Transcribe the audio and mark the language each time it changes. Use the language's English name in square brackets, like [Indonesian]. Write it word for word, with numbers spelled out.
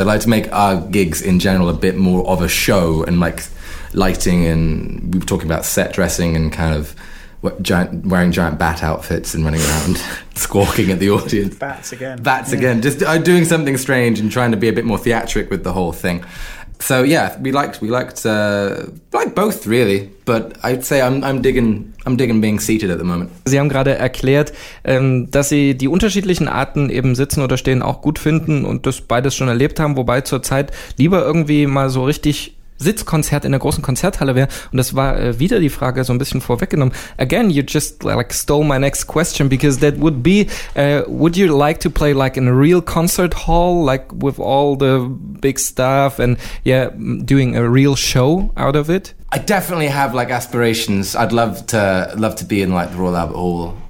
[English] I'd like to make our gigs in general a bit more of a show, and like lighting, and we were talking about set dressing and kind of what, giant, wearing giant bat outfits and running around squawking at the audience. Bats again. Bats yeah. again. Just uh, doing something strange and trying to be a bit more theatric with the whole thing. So yeah, we liked we liked uh, like both really, but I'd say I'm I'm digging I'm digging being seated at the moment. [German] Sie haben gerade erklärt, ähm, dass Sie die unterschiedlichen Arten eben sitzen oder stehen auch gut finden und das beides schon erlebt haben, wobei zurzeit lieber irgendwie mal so richtig Sitzkonzert in der großen Konzerthalle wäre. Und das war äh, wieder die Frage so ein bisschen vorweggenommen. [English] Again, you just like stole my next question, because that would be, uh, would you like to play like in a real concert hall, like with all the big stuff and yeah, doing a real show out of it? I definitely have like aspirations. I'd love to love to be in like the Royal Albert Hall.